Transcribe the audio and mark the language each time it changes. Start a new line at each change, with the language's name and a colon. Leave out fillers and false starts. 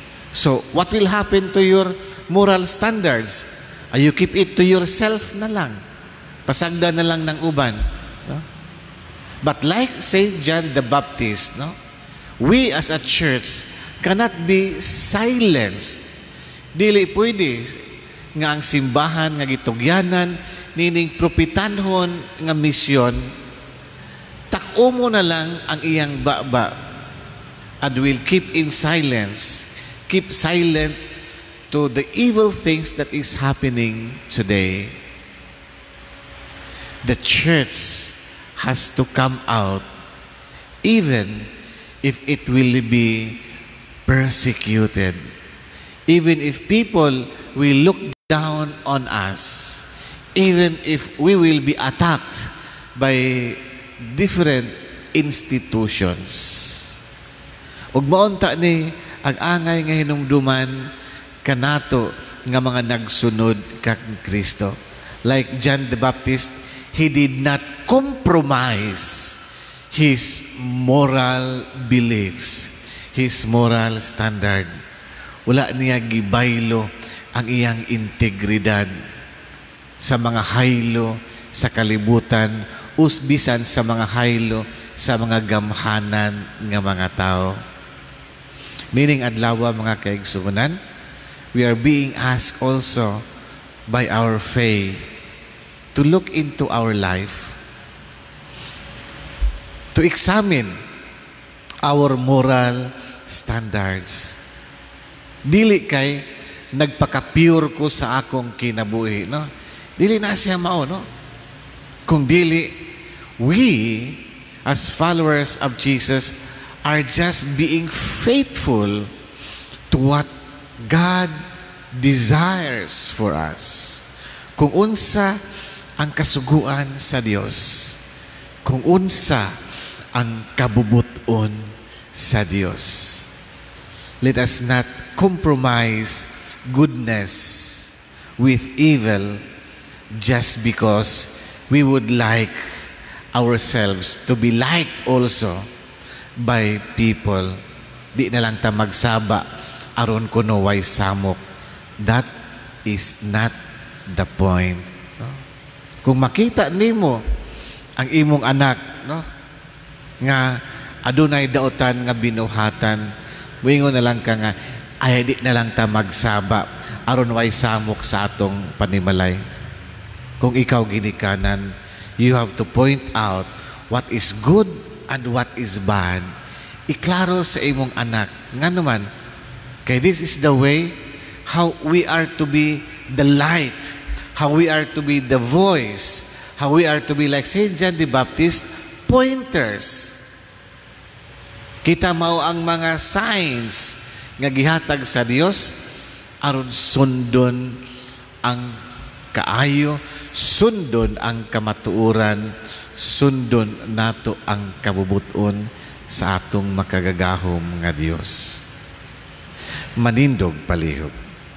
English: So, what will happen to your moral standards? You keep it to yourself na lang.
Cebuano: Pasagda na lang ng uban.
English: No? But like St. John the Baptist, no, we as a church cannot be silenced.
Cebuano: Dili pwede nga ang simbahan, nga gitugyanan, nining propitanhon nga misyon, takumo na lang ang iyang baba
English: and will keep in silence. Keep silent to the evil things that is happening today. The church has to come out even if it will be persecuted. Even if people will look down on us. Even if we will be attacked by different institutions.
Cebuano: Ug maunta ni ang angay nga hinumduman kanato nga mga nagsunod kag Kristo.
English: Like John the Baptist, he did not compromise his moral beliefs, his moral standard.
Cebuano: Wala niya gibaylo ang iyang integridad sa mga haylo sa kalibutan, usbisan sa mga haylo sa mga gamhanan nga mga tao.
English: Meaning
Cebuano: adlawa mga kaigsoonan,
English: we are being asked also by our faith to look into our life, to examine our moral standards.
Cebuano: Dili kay nagpaka-pure ko sa akong kinabuhi, no? Dili na siya mao, no? Kung dili,
English: we as followers of Jesus are just being faithful to what God desires for us.
Cebuano: Kung unsa ang kasuguan sa Dios, kung unsa ang kabubuton sa Dios.
English: Let us not compromise goodness with evil just because we would like ourselves to be liked also by people.
Cebuano: Di na lang ta magsaba aron kuno way samok.
English: That is not the point. No?
Cebuano: Kung makita nimo ang imong anak, no, nga adunay daotan nga binuhatan, buingo na lang ka nga ay di na lang ta magsaba aron way samok sa atong panimalay. Kung ikaw ginikanan,
English: you have to point out what is good and what is bad.
Cebuano: Iklaro sa imong anak. Nga naman,
English: okay, this is the way how we are to be the light, how we are to be the voice, how we are to be like St. John the Baptist, pointers.
Cebuano: Kita mao ang mga signs nga gihatag sa Dios aron sundon ang kaayo, sundon ang kamatuoran, sundon nato ang kabubuton sa atong makagagahom nga Dios. Manindog palihog.